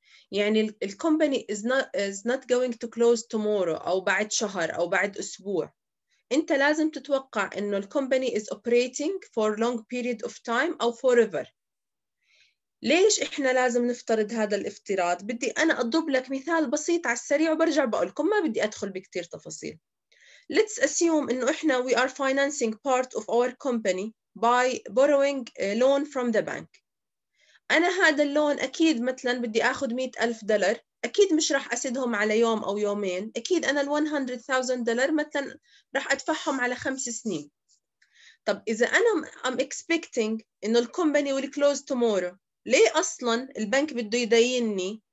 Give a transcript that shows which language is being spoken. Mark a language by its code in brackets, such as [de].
[ar] يعني الـ [en] company is not going to close tomorrow [ar] أو بعد شهر أو بعد أسبوع. أنت لازم تتوقع إنه [en] الـ company is operating for long period of time أو forever. [ar] ليش إحنا لازم نفترض هذا الافتراض؟ بدي أنا أضرب لك مثال بسيط على السريع وبرجع بقولكم، ما بدي أدخل بكتير تفاصيل. [en] Let's assume [ar] إنه إحنا [en] we are financing part of our company by borrowing a loan from the bank. [ar] أنا هذا اللون أكيد مثلاً بدي أخذ $100,000، أكيد مش راح أسدهم على يوم أو يومين، أكيد أنا $100,000 مثلاً راح أدفعهم على 5 سنين. طب إذا أنا I'm expecting إنه الكومباني [en] will close tomorrow، [ar] ليه أصلاً البنك بده يديني